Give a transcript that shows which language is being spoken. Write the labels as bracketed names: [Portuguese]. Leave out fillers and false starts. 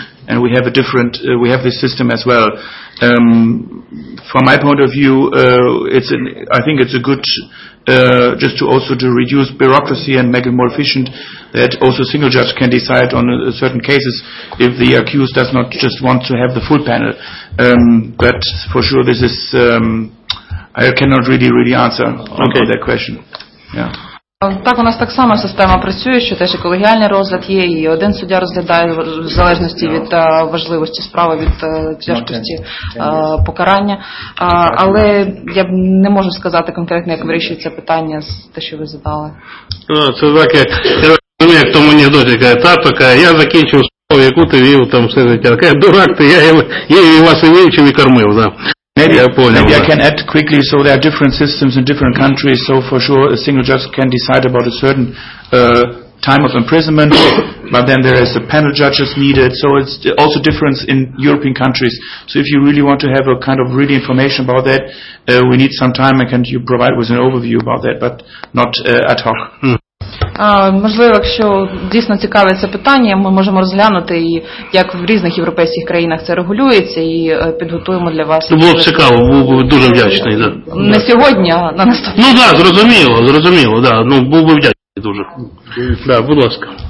[English] And we have a different, we have this system as well. From my point of view, I think it's good to reduce bureaucracy and make it more efficient, that also single judge can decide on certain cases if the accused does not just want to have the full panel. But for sure this is, I cannot really answer on that question. Yeah. [Ukrainian] Так, у нас так само система працює, що теж і колегіальний розгляд є, і один суддя розглядає в залежності від важливості справи, від тяжкості покарання. Але я б не можу сказати конкретно, як вирішується питання з те, що ви задали. Це так, як в тому анекдоті, каже, тато, я закінчив справу, яку ти вів там все життя. Каже, дурак ти, я вас і вивчив, і кормив, так. [English] Maybe I can add quickly, so there are different systems in different countries, so for sure a single judge can decide about a certain time of imprisonment, but then there is a panel judges needed, so it's also different in European countries. So if you really want to have a kind of really information about that, we need some time, and can you provide with an overview about that, but not ad hoc. [Ukrainian] Можливо, якщо дійсно цікаве це питання, ми можемо розглянути, як в різних європейських країнах це регулюється, і підготуємо для вас. Було б цікаво, був би дуже вдячний. Да. Не сьогодні, а на наступний. Зрозуміло, да. Був би вдячний дуже. Да, будь ласка.